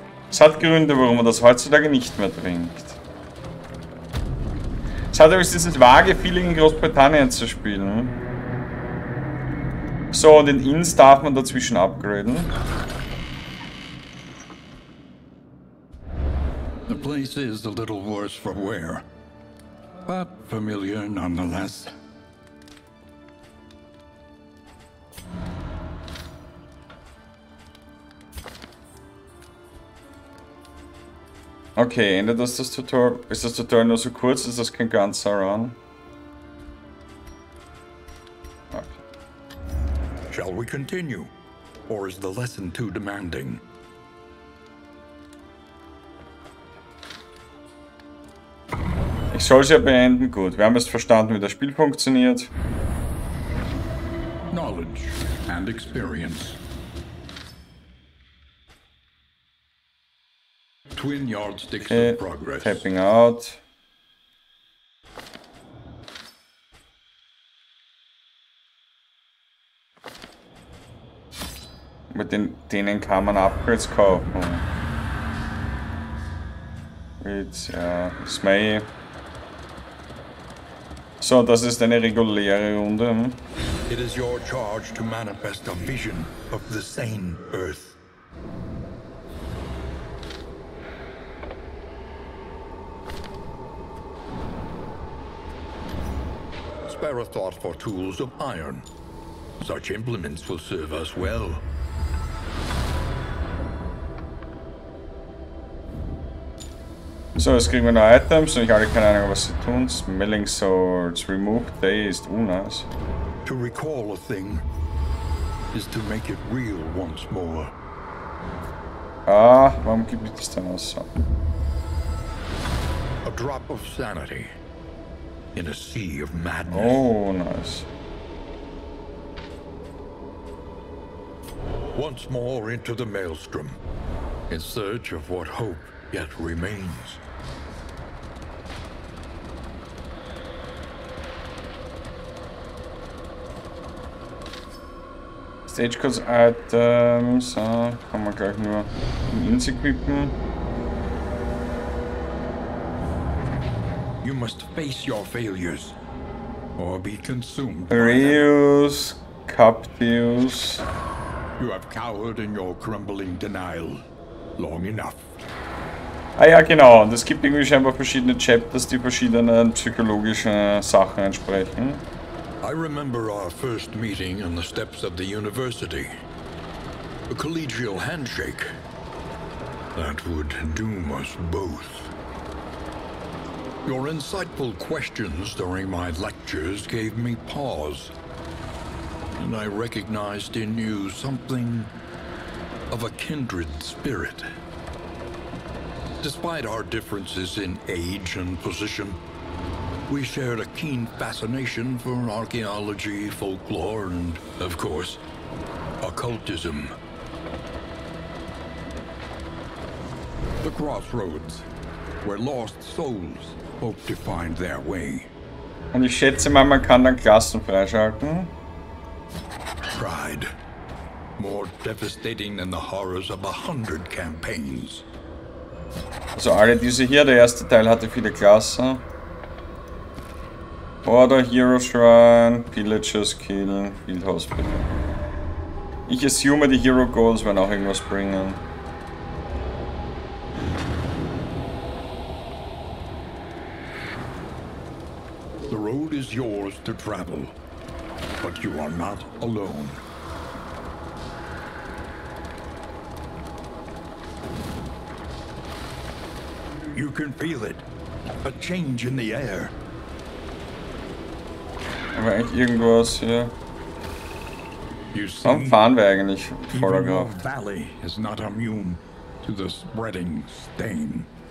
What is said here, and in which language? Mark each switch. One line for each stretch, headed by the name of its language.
German: Es hat Gründe, warum man das heutzutage nicht mehr trinkt. Es hat übrigens dieses vage Feeling in Großbritannien zu spielen. So, und den Inns darf man dazwischen upgraden.
English: The place is a little worse for wear, but familiar nonetheless.
German: Okay, endet das Tutorial? Ist das Tutorial nur so kurz? Ist das kein ganzer Run?
English: Okay. Shall we continue? Or is the lesson too demanding?
German: Ich soll sie ja beenden. Gut, wir haben jetzt verstanden, wie das Spiel funktioniert.
English: Knowledge and experience. Twin yardsticks of progress. Tapping out.
German: Mit denen kann man Upgrades kaufen. Mit Smay. So, das ist eine reguläre Runde. Hm?
English: It is your charge to manifest a vision of the sane earth. Spare a thought for tools of iron. Such implements will serve us well.
German: Ich So, jetzt kriegen wir noch Items und ich habe keine Ahnung, was sie tun.
English: Smelling Swords, Remove Dazed, unnice. To recall a thing is to make it real once more.
German: Ah, warum gibt es das denn aus? So?
English: A drop of sanity in a sea of madness. Oh, nice. Once more into the maelstrom, in search of what hope yet remains.
German: Stagecoats-Items, kann man gleich nur in Inns equippen.
English: You must face your failures, or be consumed. Reus, Captius. You have cowered in your crumbling denial long enough.
German: Ah ja, genau, und es gibt irgendwie scheinbar verschiedene Chapters, die verschiedenen psychologischen Sachen entsprechen.
English: I remember our first meeting on the steps of the university. A collegial handshake. That would doom us both. Your insightful questions during my lectures gave me pause. And I recognized in you something of a kindred spirit. Despite our differences in age and position, we shared a keen fascination for archaeology, folklore, and, of course, occultism. The crossroads, where lost souls hope to find their way.
German: Und ich schätze mal, man kann dann Klassen freischalten.
English: Pride, more devastating than the horrors of 100 campaigns.
German: Also alle diese hier, der erste Teil hatte viele Klassen.
English: Order, Hero Shrine, Pillagers Kill, Field Hospital.
German: Ich assume, die Hero Goals werden auch irgendwas bringen.
English: The road is yours to travel, but you are not alone. You can feel it. A change in the air.
German: Aber eigentlich irgendwas hier. Warum fahren wir eigentlich voller Kraft?
English: Even your valley is not immune to the spreading stain.